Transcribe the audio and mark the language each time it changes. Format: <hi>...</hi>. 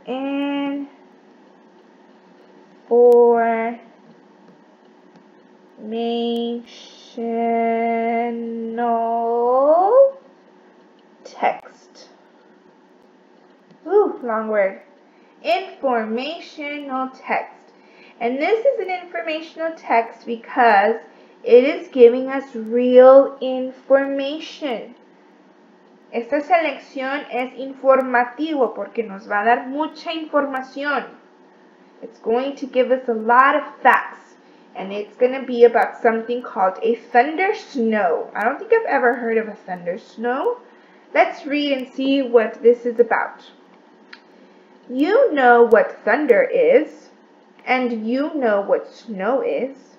<en>Informational text. Ooh, long word. Informational text. And this is an informational text because it is giving us real information.</en> <es>Esta selección es informativo porque nos va a dar mucha información.</es> <en>It's going to give us a lot of facts. And it's going to be about something called a thundersnow. I don't think I've ever heard of a thundersnow. Let's read and see what this is about. You know what thunder is, and you know what snow is.</en>